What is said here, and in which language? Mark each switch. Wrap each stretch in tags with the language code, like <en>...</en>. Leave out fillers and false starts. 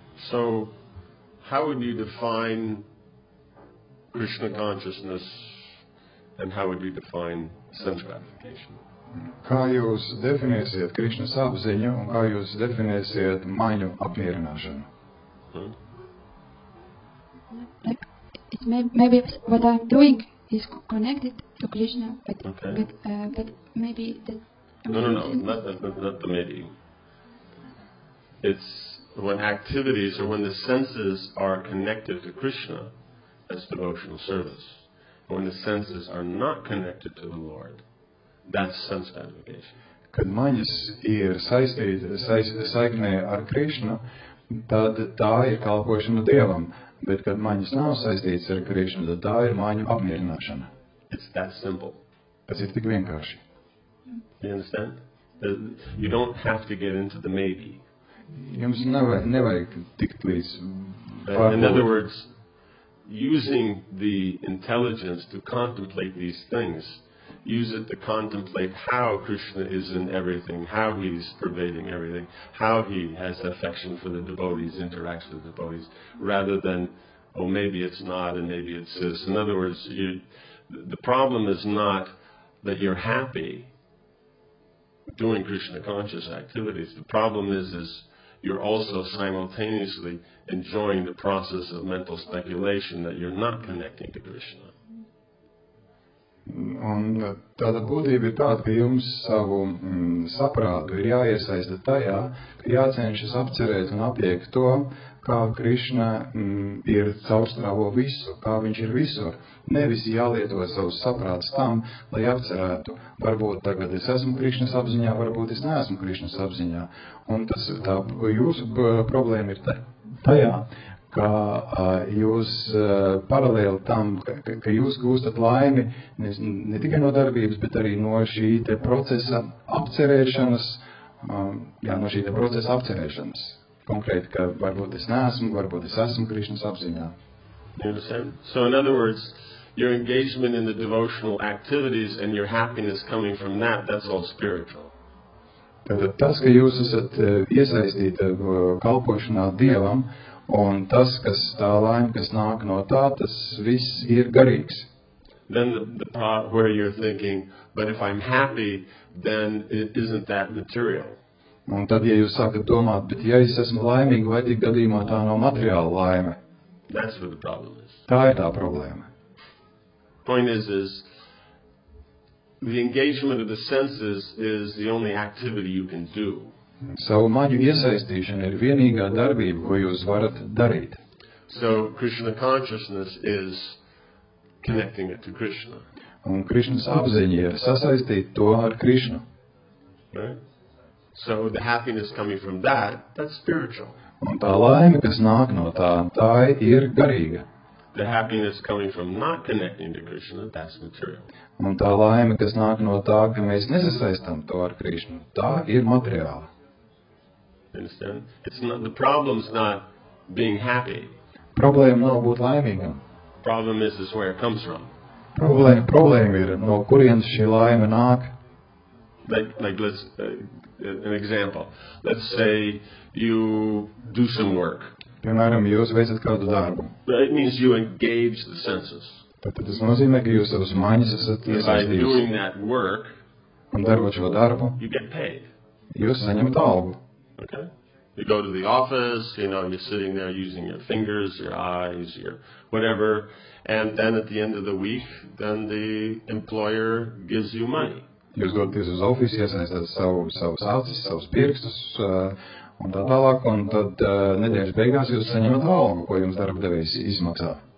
<en>So, how would you define Krishna consciousness, and how would you define sense gratification?</en> <lv>Kā jūs definēsiet Krišnas apziņu, un kā jūs definēsiet maiņu apmierināšanu?</lv> <en>Maybe what I'm doing is connected to Krishna, but, okay. But maybe... Not the maybe. It's... when activities or when the senses are connected to Krishna, that's devotional service. And when the senses are not connected to the Lord, that's sense gratification.</en> <lv>Kad maņas ir saiknē ar Krishna, tad tā ir kalpošana Dievam. Bet kad maņas nav saistītas ar Krishna, tad tā ir maņu apmierināšana.</lv> <en>It's that simple.</en> <lv>Tas ir tik vienkārši.</lv> <en>You understand? You don't have to get into the maybe.</en> <lv>Jums nevajag tikt līdz pārbūt.</lv> <en>In other words, using the intelligence to contemplate these things, use it to contemplate how Krishna is in everything, how he's pervading everything, how he has affection for the devotees, interacts with the devotees, rather than, oh, maybe it's not and maybe it's this. In other words, the problem is not that you're happy doing Krishna conscious activities. The problem is you're also simultaneously enjoying the process of mental speculation that you're not connecting to Krishna.</en> <lv>Un tāda būtība ir tāda, ka jums savu saprātu ir jāiesaista tajā, ka jācenšas apcerēt un apiekt to, kā Krishna ir caurstrāvo visu, kā viņš ir visur. Nevis jālieto savus saprātus tam, lai apcerētu. Varbūt tagad es esmu Krišnas apziņā, varbūt es neesmu Krišnas apziņā. Un tas tā jūsu problēma ir tajā, ka jūs paralēli tam, ka jūs gūstat laimi ne tikai no darbības, bet arī no šī te procesa apcerēšanas, no šī te procesa apcerēšanas. Konkrēti, ka varbūt es neesmu, varbūt es esmu Krišnas apziņā.</lv> <en>So in other words, your engagement in the devotional activities and your happiness coming from that, that's all spiritual.</en> <lv>Tātad tas, ka jūs esat iesaistīti kalpošanā Dievam, un tas, kas tā laime, kas nāk no tā, tas viss ir garīgs.</lv> <en>Then the part where you're thinking, but if I'm happy, then it isn't that material.</en> <lv>Un tad, ja jūs sākat domāt, bet ja es esmu laimīgi, vai tik gadījumā tā nav materiāla laime?</lv> <en>That's what the problem is.</en> <lv>Tā ir tā problēma.</lv> <en>Point is the engagement of the senses is the only activity you can do.</en> <lv>Savu maņu iesaistīšana ir vienīgā darbība, ko jūs varat darīt.</lv> <en>So Krishna consciousness is connecting it to Krishna.</en> <lv>Un Krišnas apziņa ir sasaistīt to ar Krišnu.</lv> <en>Right? So the happiness coming from that's spiritual.</en> <lv>Un tā laime, kas nāk no tā, tā ir garīga.</lv> <en>The happiness coming from not connecting to Krishna, that's material.</en> <lv>Un tā laime, kas nāk no tā, ka mēs nesasaistām to ar Krishna, tā ir materiāla.</lv> <en>Understand? The problem's not being happy.</en> <lv>Problēma nav būt laimīgam.</lv> <en>Problem is where it comes from.</en> <lv>Problēma ir, no kurienes šī laime nāk.</lv> <en>An example. Let's say you do some work.</en> <lv>Piemēram, jūs veicat kādu darbu.</lv> <en>It means you engage the senses.</en> <lv>Tad tas nozīmē, ka jūs savus maiņas esat iesaistījis.</lv> <en>By doing that work,</en> <lv>un darbot šo darbu,</lv> <en>you get paid.</en> <lv>Jūs saņemat algu.</lv> <en>Okay? You go to the office, you're sitting there using your fingers, your eyes, your whatever, and then at the end of the week, then the employer gives you money.</en> <lv>jūs dodaties uz ofisu, iesaistāt savus acis, savus pirkstus un tā tālāk, un tad nedēļas beigās jūs saņemat valumu, ko jums darba devējs izmaksā.</lv>